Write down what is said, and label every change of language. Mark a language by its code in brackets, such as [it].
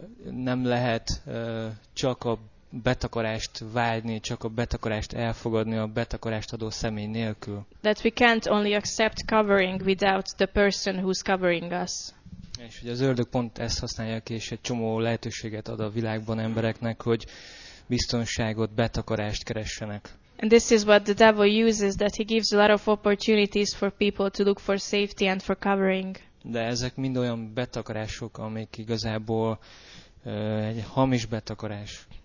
[hu] Nem lehet csak a betakarást vágyni, csak a betakarást elfogadni a betakarást adó személy nélkül. [en] That we can't only accept covering without the person who's covering us. [hu] És hogy az ördög pont ezt használja ki, és egy csomó lehetőséget ad a világban embereknek, hogy biztonságot, betakarást keressenek. [en] And this is what the devil uses, that he gives a lot of opportunities for people to look for safety and for covering. [hu] De ezek mind olyan betakarások, amik igazából egy hamis betakarás.